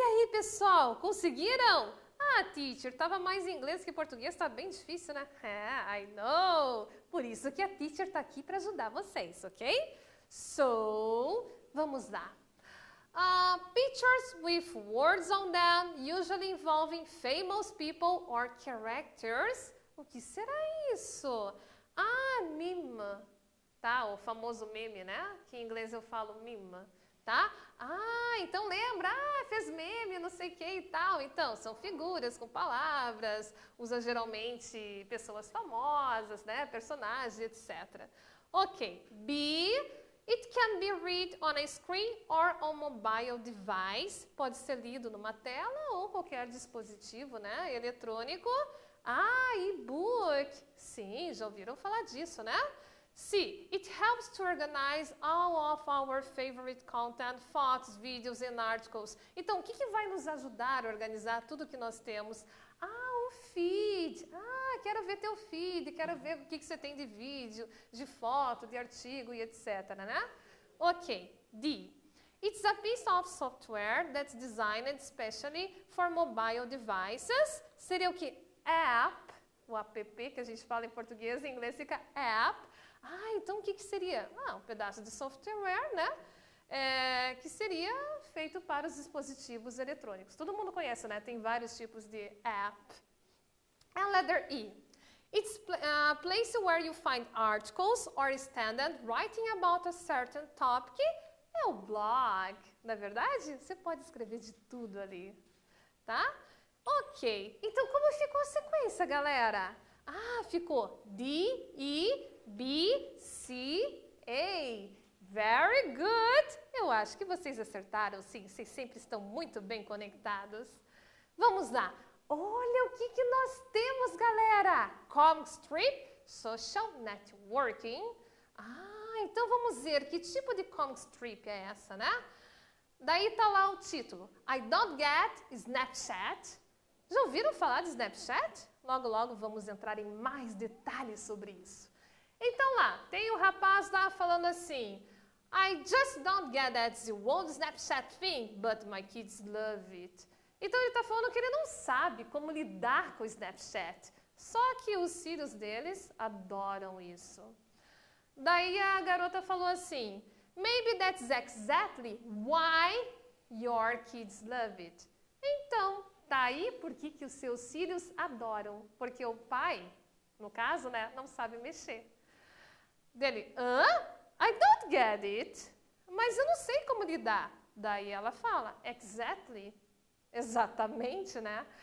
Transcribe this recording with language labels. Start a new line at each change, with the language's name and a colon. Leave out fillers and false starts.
Portuguese: pessoal, conseguiram? Ah, teacher, tava mais em inglês que português, tá bem difícil, né? Ah,
English: I know.
Portuguese: Por isso que a teacher tá aqui para ajudar vocês, ok? So, vamos lá.
English: Pictures with words on them, usually involving famous people or characters.
Portuguese: O que será isso? Ah, meme. Tá, o famoso meme, né? Que em inglês eu falo meme, tá? Ah, então lembra, ah, fez meme, não sei o que e tal. Então, são figuras com palavras, usa geralmente pessoas famosas, né? Personagens, etc.
English: Ok, B, it can be read on a screen or on a mobile device.
Portuguese: Pode ser lido numa tela ou qualquer dispositivo, né? Eletrônico. Ah, e-book. Sim, já ouviram falar disso, né? C.
English: It helps to organize all of our favorite content, fotos, vídeos and articles.
Portuguese: Então, o que, que vai nos ajudar a organizar tudo que nós temos? Ah, o feed. Ah, quero ver teu feed, quero ver o que, que você tem de vídeo, de foto, de artigo e etc, né? Ok. D.
English: It's a piece of software that's designed especially for mobile devices.
Portuguese: Seria o que? App. O app que a gente fala em português, em inglês fica app. Ah, então o que, que seria? Ah, um pedaço de software, né? É, que seria feito para os dispositivos eletrônicos. Todo mundo conhece, né? Tem vários tipos de app.
English: And letter E. It's a place where you find articles or standard writing about a certain topic.
Portuguese: É o blog. Na verdade, você pode escrever de tudo ali, tá? Ok. Então, como ficou a sequência, galera? Ah, ficou D, E, B, C, A.
English: Very good!
Portuguese: Eu acho que vocês acertaram, sim. Vocês sempre estão muito bem conectados. Vamos lá. Olha o que, que nós temos, galera. Comic strip, social networking. Ah, então vamos ver que tipo de comic strip é essa, né? Daí tá lá o título.
English: I don't get Snapchat.
Portuguese: Já ouviram falar de Snapchat? Logo, logo vamos entrar em mais detalhes sobre isso. Então lá, tem um rapaz lá falando assim,
English: I just don't get that old Snapchat thing, but my kids love it.
Portuguese: Então ele está falando que ele não sabe como lidar com o Snapchat, só que os filhos deles adoram isso. Daí a garota falou assim,
English: maybe that's exactly why your kids love it.
Portuguese: Então, tá aí por que, que os seus filhos adoram, porque o pai, no caso, né, não sabe mexer. Dele,
English: I don't get it,
Portuguese: mas eu não sei como lidar. Daí ela fala, exactly, exatamente, né?